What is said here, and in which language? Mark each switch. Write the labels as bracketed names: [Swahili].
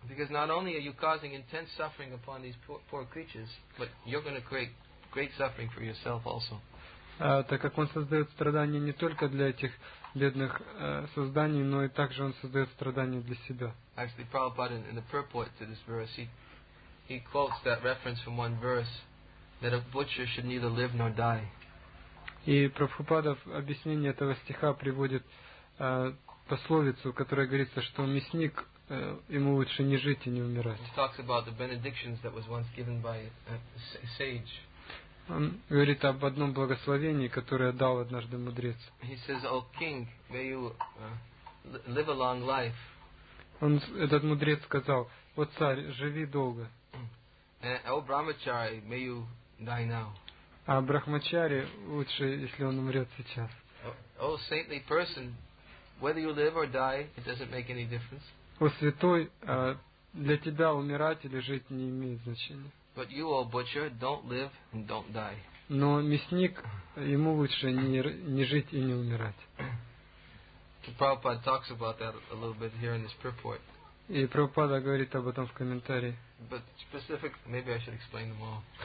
[English] Because not only are you causing intense suffering upon these poor creatures, but you're going to create great suffering for yourself also. [Russian] Так как он создает страдания не только для этих бедных созданий, но и также он создает страдания для себя. [English] Actually, Prabhupada in the purport to this verse, he quotes that reference from one verse that a butcher should neither live nor die. [Russian] И Прабхупада в объяснении этого стиха приводит пословицу, которая говорится, что мясник ему лучше не жить и не умирать. [English] He talks about the benedictions that was once given by a sage. [Russian] Он говорит об одном благословении, которое дал однажды мудрец. [English] He says, "O king, may you live a long life." [Russian] Он этот мудрец сказал: "О царь, живи долго." [English] "O brahmachari, may you die now." [Russian] А брахмачари лучше, если он умрет сейчас. [English] "O saintly person, whether you live or die, it doesn't make any difference." [Russian] О святой, для тебя умирать или жить не имеет значения. [English] "But you, O butcher, don't live and don't die." [Russian] Но мясник, ему лучше не жить и не умирать. [English] Prabhupada talks about that a little bit here in this purport. [Russian] И Прабхупада говорит об этом в комментарии. [English] But specific, maybe I should explain them all.